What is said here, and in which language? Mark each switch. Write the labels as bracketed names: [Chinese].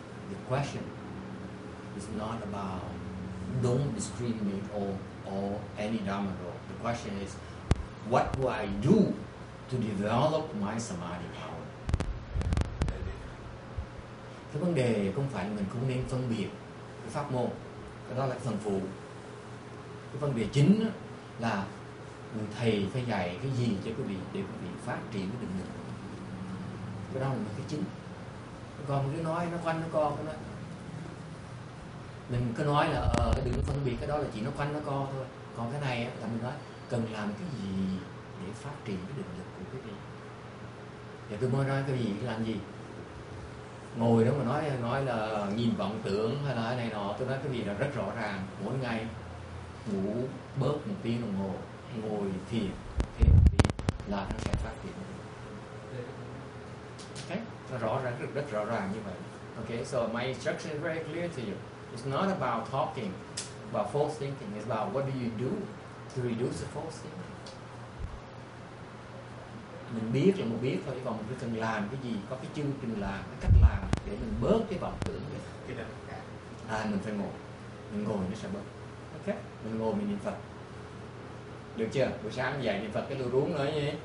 [English] The question is not about don't discriminate or any dharma at all. The question is, what do I do to develop my samadhi power? [Vietnamese] Cái vấn đề không phải mình không nên phân biệt cái pháp môn, cái đó là phần phụ. Cái vấn đề chính là người thầy phải dạy cái gì cho quý vị để quý vị phát triển cái định lực. Cái đó là cái chính. Còn cứ nói nó quanh nó co cái đó. Mình cứ nói là đừng phân biệt, cái đó là chỉ nó quanh nó co thôi. Còn cái này là mình nói cần làm cái gì để phát triển cái định lực của cái gì. Thì tôi mới nói cái gì, làm gì? Ngồi đó mà nói là nhìn vọng tưởng hay là này nọ. Tôi nói cái gì là rất rõ ràng. Mỗi ngày ngủ bớt một tiếng đồng hồ, ngồi thiền thêm một tiếng là nó sẽ phát triển. Ok, nó rõ ràng, rất rõ ràng như vậy. [English] Ok, so my instruction is very clear to you. It's not about talking, about false thinking. It's about what do you do to reduce the false thinking. [Vietnamese] Mình biết là mình biết thôi, còn mình cần làm cái gì, có cái chương trình làm, cái cách làm để mình bớt cái vọng tưởng đi. À, mình phải ngồi. Mình ngồi nó sẽ bớt. Ok, mình ngồi mình niệm Phật. Được chưa? Buổi sáng dậy niệm Phật cái lưu ruống nói vậy.